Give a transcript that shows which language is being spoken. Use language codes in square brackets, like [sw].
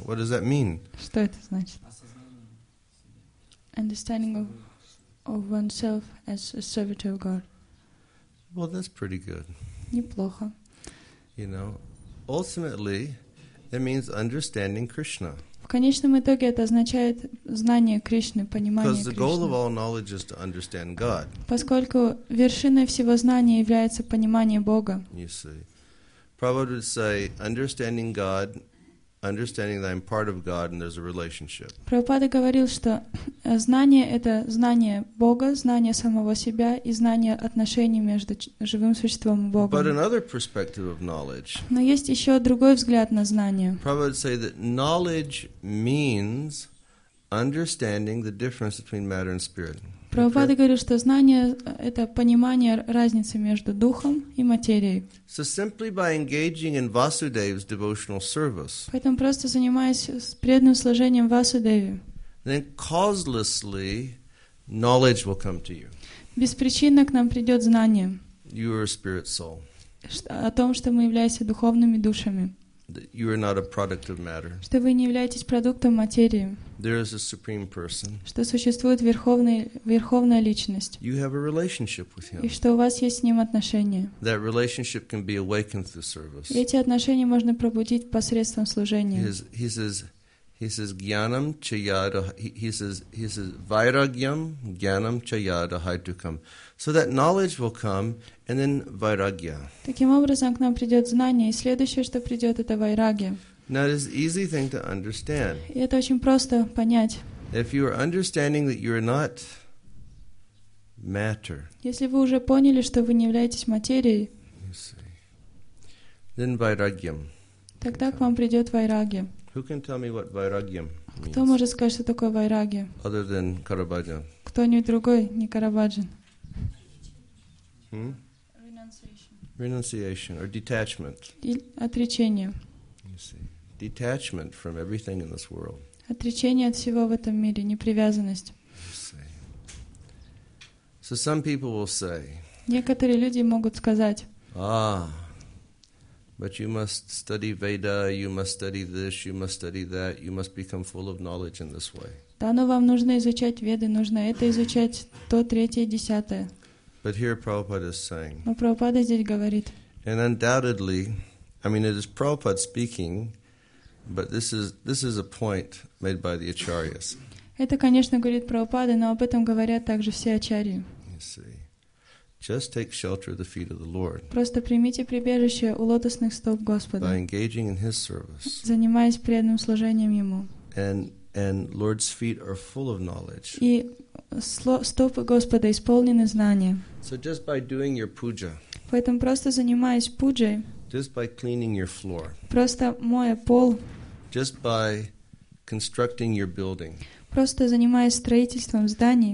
[en] What does that mean? [ru] Что это значит? [en] Understanding of oneself as a servant of God. Well, that's pretty good. [ru] Неплохо. [en] You know, ultimately, it means understanding Krishna. [ru] В конечном итоге это означает знание Кришны, понимание Кришны. [en] Because the goal of all knowledge is to understand God. [ru] Поскольку вершиной всего знания является понимание Бога. [en] You see. Prabhupada would say, understanding God, understanding that I'm part of God, and there's a relationship. [ru] Prabhupada говорил, что знание — это знание Бога, знание самого себя и знание отношений между живым существом и Богом. [en] But another perspective of knowledge. [ru] Но есть еще другой взгляд на знание. [en] Prabhupada would say that knowledge means understanding the difference between matter and spirit. [ru] Прабхупада говорит, что знание — это понимание разницы между духом и материей. [en] So simply by engaging in Vasudeva's devotional service, [ru] поэтому просто занимаясь преданным служением Васудеве, [en] then causelessly knowledge will come to you. [ru] Беспричинно к нам придет знание. [en] You are a spirit soul. [ru] О том, что мы являемся духовными душами. [en] That you are not a product of matter. [ru] Что вы не являетесь продуктом материи. [en] There is a supreme person. [ru] Что существует верховная личность. [en] You have a relationship with him. [ru] И что у вас есть с ним отношения. [en] That relationship can be awakened through service. [ru] Эти отношения можно пробудить посредством служения. [en] He says, [sa] "Gyanam chayada." [en] He says, [sa] "Vairagyam gyanam chayada haitukam." [en] So that knowledge will come, and then vairagya. [ru] Таким образом к нам придет знание, и следующее, что придет, это вайрагья. [en] Now it is easy thing to understand. [ru] Это очень просто понять. [en] If you are understanding that you are not matter. [ru] Если вы уже поняли, что вы не являетесь материей. [en] Then vairagyam. [ru] Тогда к вам придет вайрагья. [en] Who can tell me what vairagyam means? [ru] Кто может сказать, что такое вайрагья? [en] Other than Карабаджа. [ru] Кто-нибудь другой, не Карабаджан. [en] Renunciation or detachment. [ru] Отречение. [en] You see. Detachment from everything in this world. [ru] Отречение от всего в этом мире, непривязанность. [en] You see. So some people will say. [ru] Некоторые люди могут сказать. Ah. [en] But you must study Veda, you must study this, you must study that, you must become full of knowledge in this way. [ru] Да, но вам нужно изучать Веды, нужно это изучать, то, третье, десятое. [en] But here Prabhupada is saying. [ru] Но Прабхупада здесь говорит. [en] And undoubtedly, I mean, it is Prabhupada speaking, but this is a point made by the acharyas. [ru] Это, конечно, говорит Прабхупада, но об этом говорят также все ачарьи. [en] Just take shelter of the feet of the Lord. [ru] Просто примите прибежище у лотосных стоп Господа. [en] By engaging in His service. [ru] Занимаясь преданным служением Ему. [en] And Lord's feet are full of knowledge. [ru] И стопы Господа исполнены знания. [en] So just by doing your puja. [ru] Поэтому просто занимаясь пуджей. [en] Just by cleaning your floor. [ru] Просто моя пол. [en] Just by constructing your building. [ru] Просто занимаясь строительством зданий.